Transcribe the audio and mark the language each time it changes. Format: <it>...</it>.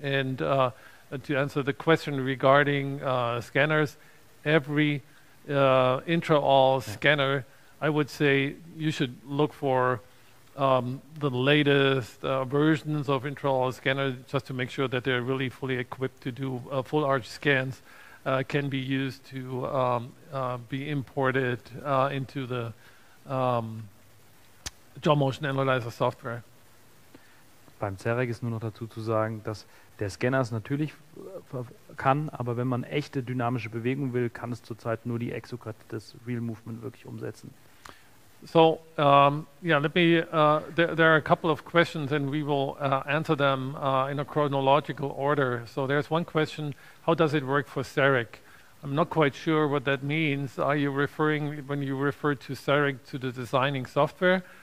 <en>And to answer the question regarding scanners, every intraoral scanner, I would say you should look for the latest versions of intraoral scanners just to make sure that they're really fully equipped to do full arch scans, can be used to be imported into the jaw motion analyzer software.</en> <de>Beim Zerek ist nur noch dazu zu sagen, dass der Scanner es natürlich kann, aber wenn man echte dynamische Bewegung will, kann es zurzeit nur die Exocut, das Real Movement, wirklich umsetzen.</de> <en>So, let me, there are a couple of questions and we will answer them in a chronological order. So there's one question, how does it work for Zerek? I'm not quite sure what that means. Are you referring, when you refer to Zerek, to the designing software?</en>